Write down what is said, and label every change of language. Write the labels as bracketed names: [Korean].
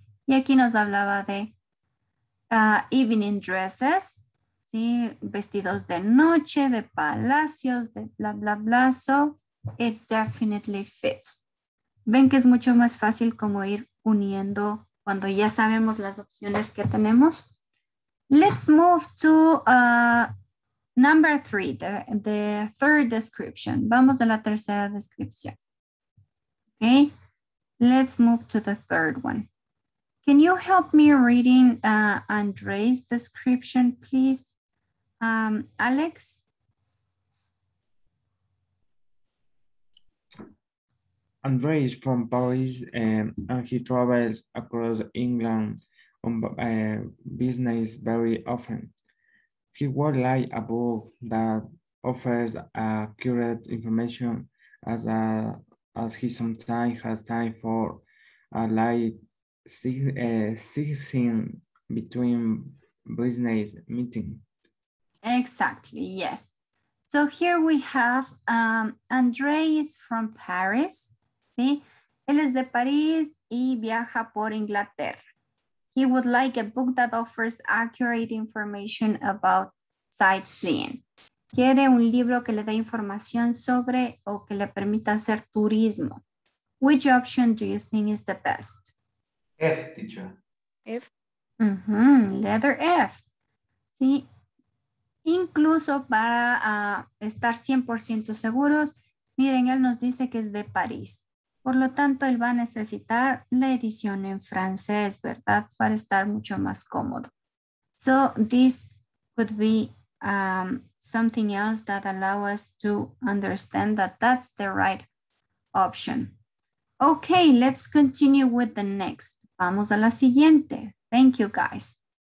[Spanish] Y aquí nos hablaba de [English] evening dresses, [Spanish] ¿sí? Vestidos de noche, de palacios, de bla, bla, bla. [English] So, it definitely fits. [Spanish] ¿Ven que es mucho más fácil como ir uniendo cuando ya sabemos las opciones que tenemos? [English] Let's move to number three, the third description. [Spanish] Vamos a la tercera descripción. [English] Okay, let's move to the third one. Can you help me reading Andre's description, please? Alex? Andre is from Paris and he travels across England on business very often. He would like a book that offers accurate information as he sometimes has time for a light sitting between business meeting. Exactly, yes. So here we have Andre is from Paris. [Spanish] ¿Sí? Él es de París y viaja por Inglaterra. [English] He would like a book that offers accurate information about sightseeing. [Spanish] Quiere un libro que le dé información sobre o que le permita hacer turismo. [English] Which option do you think is the best? F, teacher. F. Mm-hmm. Letter F. [Spanish] Sí. Incluso para estar 100% seguros, miren, él nos dice que es de París. Por lo tanto, él va a necesitar la edición en francés, ¿verdad? Para estar mucho más cómodo. [English] So, this could be something else that allow us to understand that that's the right option. Okay, let's continue with the next. [Spanish] Vamos a la siguiente. [English] Thank you, guys.